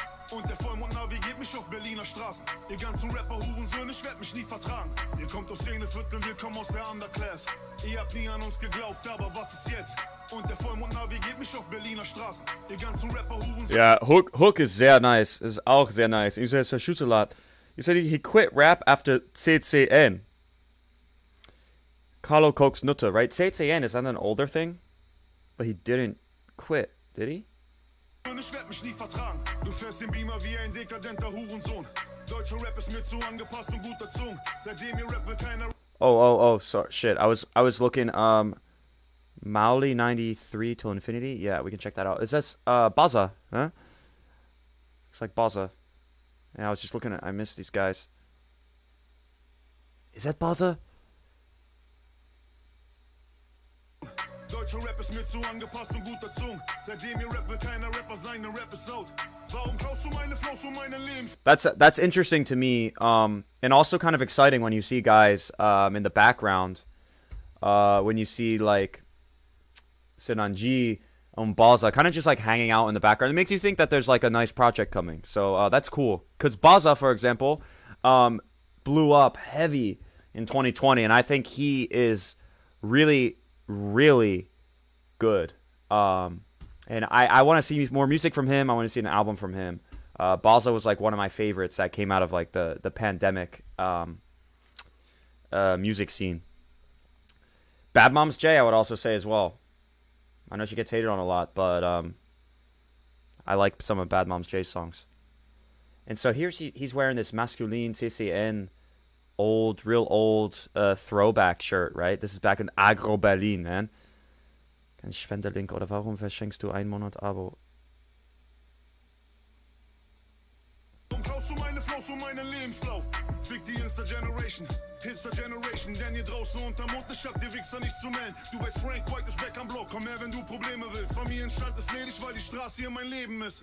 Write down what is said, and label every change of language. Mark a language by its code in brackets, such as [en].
[de] Und der Vollmond navigiert mich auf Berliner Straßen. Ihr ganzen Rapper-Hurensöhne, ich werd mich nie vertragen. Ihr kommt aus Szeneviertel, wir kommen aus der Underclass. Ihr habt nie an uns geglaubt, aber was ist jetzt? Und der Vollmond navigiert mich auf Berliner Straßen. Ihr ganzen Rapper-Hurensöhne. Ja, Hook ist sehr nice. Ist auch sehr nice. Ich sag, er [en] shoots a lot. You said he quit rap after CCN. Carlo Cox Nutter, right? CCN, is that an older thing? But he didn't quit, did he? [de] Ich werd mich nie vertragen. Du fährst den Beamer wie ein dekadenter Hurensohn. Deutscher Rap ist mir zu angepasst und gut erzogen. Seitdem ihr Rap will keiner. [en] Oh, sorry, shit. I was looking, Mauli 93 till infinity. Yeah, we can check that out. Is this, Buzzer? Huh? It's like Buzzer. Yeah, I was just looking at, I missed these guys. Is that Buzzer? [de] Deutscher Rap ist mir zu angepasst und gut erzogen. Seitdem ihr Rap will keiner Rapper sein, der Rap ist out. Warum klaust du meine Flows und meine Lebens? [en] That's interesting to me, and also kind of exciting when you see guys in the background. When you see, like, Sinan G and Baza kind of just, like, hanging out in the background. It makes you think that there's, like, a nice project coming. So that's cool. Because Baza, for example, blew up heavy in 2020, and I think he is really... really good. And I want to see more music from him. I want to see an album from him. Baza was like one of my favorites that came out of like the pandemic music scene. Bad Moms J, I would also say as well. I know she gets hated on a lot, but I like some of Bad Moms J's songs. And so he's wearing this masculine CCN old, real old throwback shirt, right? This is back in Agro Berlin, man. [de] Kein Spenderlink, oder warum verschenkst du ein Monat Abo? Warum klaust du meine Flows und meinen Lebenslauf? Fick die Insta-Generation, Hipster-Generation, denn hier draußen unter Mond, ich hab dir Wichser nichts zu melden. Du weißt, Frank White ist back am Block, komm her, wenn du Probleme willst. Familienstand ist ledig, weil die Straße hier mein Leben ist.